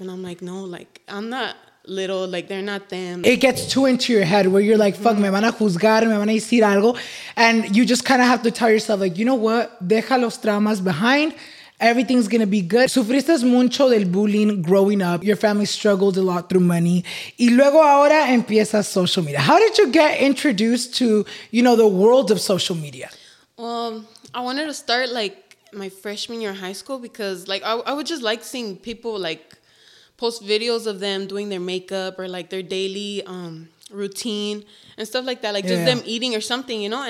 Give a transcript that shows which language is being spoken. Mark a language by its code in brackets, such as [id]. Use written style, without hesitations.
[en] And I'm like, no, like, I'm not little, like they're not them. It gets too into your head where you're like, fuck, mm-hmm, [es] me van a juzgar, me van a decir algo. [en] And you just kind of have to tell yourself, like, you know what? [es] Deja los traumas [en] behind. Everything's gonna be good. [es] Sufriste mucho del bullying [en] growing up. Your family struggled a lot through money. [es] Y luego ahora empieza [en] social media. How did you get introduced to, you know, the world of social media? Well, I wanted to start like my freshman year of high school because like I would just like seeing people like post videos of them doing their makeup or like their daily routine and stuff like that, like, yeah, just them eating or something, you know?